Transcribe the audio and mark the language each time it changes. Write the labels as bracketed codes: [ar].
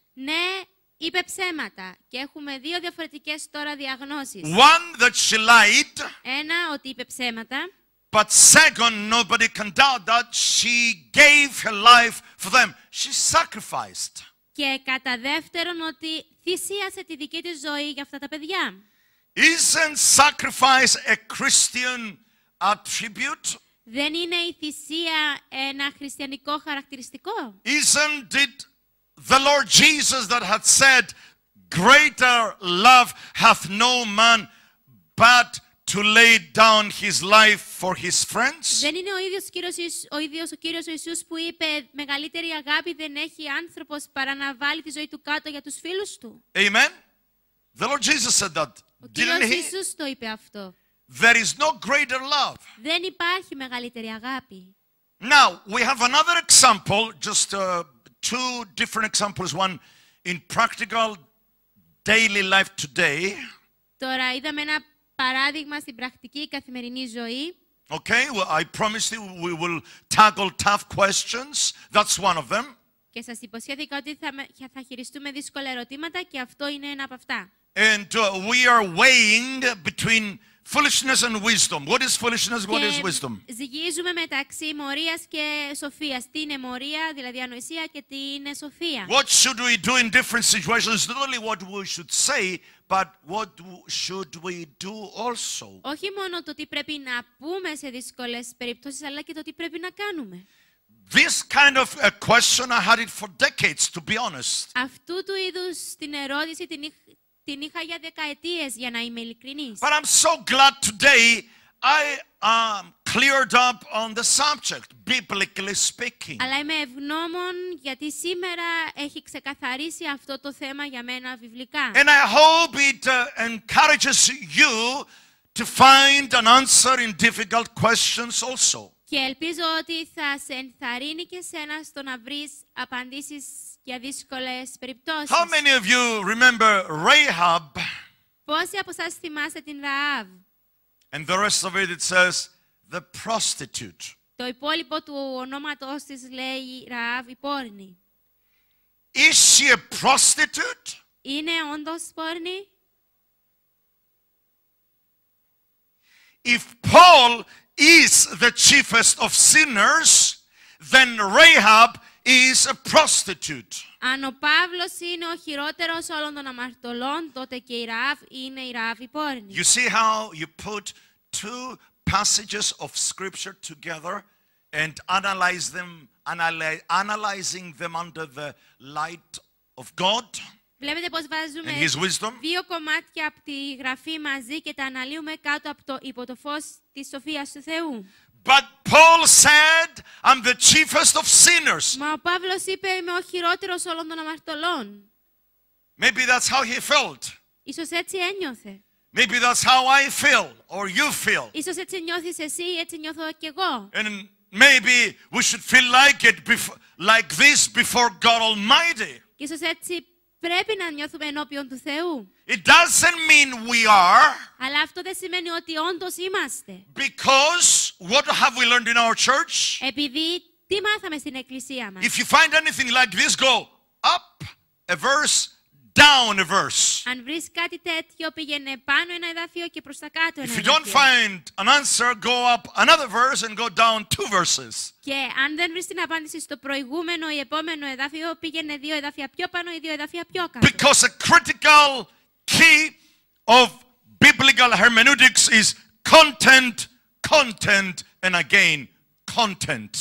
[el] Ναι, είπε ψέματα και έχουμε δύο διαφορετικές τώρα διαγνώσεις. [en] One that she lied. [el] Ένα ότι είπε ψέματα. [en] But second, nobody can doubt that she gave her life for them. She sacrificed. [el] Και κατά δεύτερον ότι θυσίασε τη δική της ζωή για αυτά τα παιδιά. [en] Isn't sacrifice a Christian attribute? [el] Δεν είναι η θυσία ένα χριστιανικό χαρακτηριστικό? [en] Isn't it the Lord Jesus that had said, greater love hath no man but to lay down his life for his friends? [el] Δεν είναι ο ίδιος ο Κύριος ο Ιησούς που είπε, μεγαλύτερη αγάπη δεν έχει άνθρωπος παρά να βάλει τη ζωή του κάτω για τους φίλους του? [en] Amen. The Lord Jesus said that. [el] Ο Κύριος Ιησούς το είπε αυτό. [en] There is no greater love. [el] Δεν υπάρχει μεγαλύτερη αγάπη. [en] Now, we have another example, just two different examples, one in practical daily life today. [el] Τώρα είδαμε ένα παράδειγμα στην πρακτική καθημερινή ζωή. [en] Okay, well, I promised you we will tackle tough questions. That's one of them. [el] Και σας υποσχέθηκα ότι θα χειριστούμε δύσκολα ερωτήματα και αυτό είναι ένα από αυτά. [en] And we are weighing between foolishness and wisdom. What is foolishness? What is wisdom? [el] Ζυγίζουμε μεταξύ μορίας και σοφίας. Τι είναι μορία, δηλαδή ανοησία, και τι είναι σοφία. [en] What should we do in different situations? Not only what we should say, but what should we do also? [el] Όχι μόνο το τι πρέπει να πούμε σε δύσκολες περιπτώσεις, αλλά και το τι πρέπει να κάνουμε. [en] This kind of a question I had it for decades, to be honest. [el] Αυτού του είδους την ερώτηση την είχα για δεκαετίες, για να είμαι ειλικρινής. [en] But I'm so glad today I am cleared up on the subject, biblically speaking. [el] Αλλά είμαι ευγνώμων γιατί σήμερα έχει ξεκαθαρίσει αυτό το θέμα για μένα βιβλικά. [en] And I hope it encourages you to find an answer in difficult questions also. [el] Και ελπίζω ότι θα σε ενθαρρύνει και σένα στο να βρεις απαντήσεις για δύσκολες περιπτώσεις. [en] How many of you remember Rahab? [el] Πόσοι από σας θυμάστε την Ραάβ? [en] And the rest of it says the prostitute. [el] Το υπόλοιπο του ονόματός της λέει Ραάβ, η πόρνη. [en] Is she a prostitute? [el] Είναι όντως πόρνη? [en] If Paul is the chiefest of sinners, then Rahab is a prostitute. [el] Αν ο Παύλος είναι ο χειρότερος όλων των αμαρτωλών, τότε και η Ραάβ είναι η Ραάβ η πόρνη. [en] You see how you put two passages of scripture together and analyze them, analyzing them under the light of God. [el] Βλέπετε πως βάζουμε [en] and his wisdom. [el] Δύο κομμάτια από τη γραφή μαζί και τα αναλύουμε κάτω από το υπό το φως της σοφίας του Θεού. [en] But Paul said, I'm the chiefest of sinners. [el] Μα ο Παύλος είπε, είμαι ο χειρότερος όλων των αμαρτωλών. [en] Maybe that's how he felt. [el] Ίσως έτσι ένιωθε. [en] Maybe that's how I feel or you feel. [el] Ίσως έτσι νιώθεις εσύ, έτσι νιώθω κι εγώ. [en] And maybe we should feel like it before, like this before God Almighty. [el] Ίσως έτσι πρέπει να νιώθουμε ενώπιον του Θεού. [en] It doesn't mean we are. [el] Αλλά αυτό δεν σημαίνει ότι όντως είμαστε. [en] Because what have we learned in our church? [el] Επειδή τι μάθαμε στην εκκλησία μας. [en] If you find anything like this, go up a verse, down a verse. [el] Αν βρεις κάτι τέτοιο, πήγαινε πάνω ένα εδάφιο και προς τα κάτω ένα εδάφιο. [en] If you don't find an answer, go up another verse and go down two verses. [el] Και αν δεν βρεις την απάντηση στο προηγούμενο ή επόμενο εδάφιο, πήγαινε δύο εδάφια πιο πάνω ή δύο εδάφια πιο κάτω. [en] Because a critical key of biblical hermeneutics is content, content, and again content.